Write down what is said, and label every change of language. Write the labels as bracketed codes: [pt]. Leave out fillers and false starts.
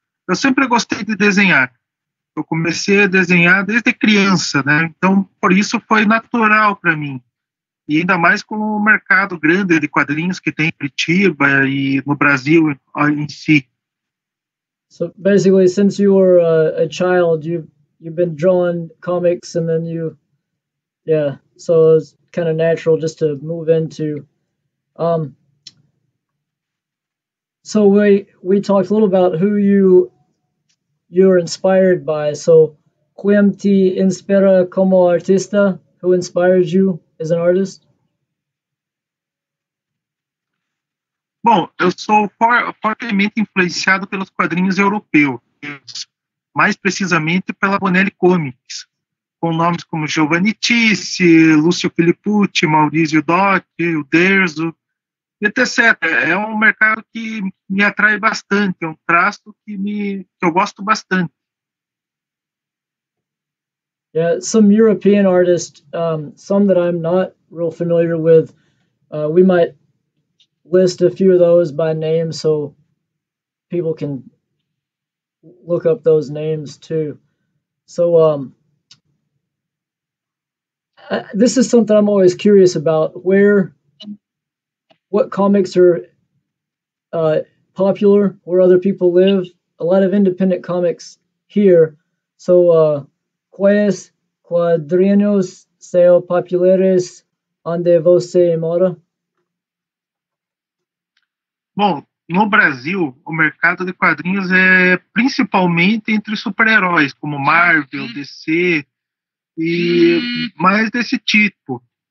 [pt] Eu sempre gostei de desenhar. Eu comecei a desenhar desde criança, né? Então, por isso foi natural para mim. E ainda mais com o mercado grande de quadrinhos que tem em Curitiba e no Brasil em si. [en] So, basically, since you were a child, you've been drawing comics and then you... Yeah, so it was kind of natural just to move into... So we talked a little about who you're inspired by. [pt] So, quem te inspira como artista? [en] Who inspires you as an artist? [pt] Bom, eu sou fortemente influenciado pelos quadrinhos europeus, mais precisamente pela Bonelli Comics, com nomes como Giovanni Tisse, Lúcio Filippucci, Maurizio Dotti, o Derzo, etc. É um mercado que me atrai bastante, é um traço que eu gosto bastante. [en] Yeah, some European artists, some that I'm not real familiar with, we might list a few of those by name so people can look up those names too. So this is something I'm always curious about. What comics are popular where other people live? A lot of independent comics here. [pt] So, [es] ¿cuáles cuadrinos [pt] são populares onde você mora? Bom, no Brasil, o mercado de quadrinhos é principalmente entre super-heróis, como Marvel, DC, mais desse tipo.